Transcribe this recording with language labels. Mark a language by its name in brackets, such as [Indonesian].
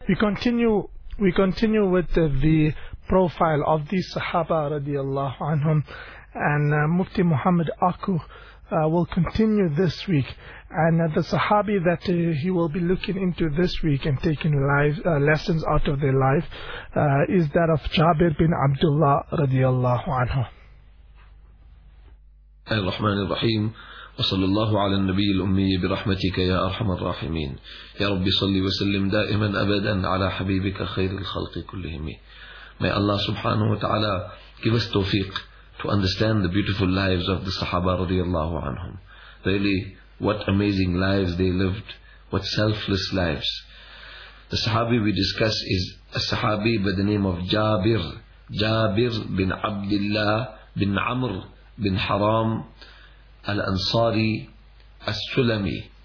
[English] We continue with the profile of the Sahaba radiallahu anhum, and Mufti Muhammad Aku will continue this week. And the Sahabi that he will be looking into this week and taking life, lessons out of their life is that of Jabir bin Abdullah radiallahu anhu. [Arabic] Al-Rahman al-Rahim. وصلى الله على النبي الأمي برحمتك يا أرحم الراحمين يا رب صلي وسلم دائما أبدا على حبيبك خير الخلق كلهم. [English] May Allah subhanahu wa ta'ala give us tawfiq to understand the beautiful lives of the Sahaba radiallahu anhum. Really, what amazing lives they lived, what selfless lives. The Sahabi we discuss is a Sahabi by the name of Jabir, Jabir bin Abdullah bin Amr bin Haram Al-Ansari As-Sulami.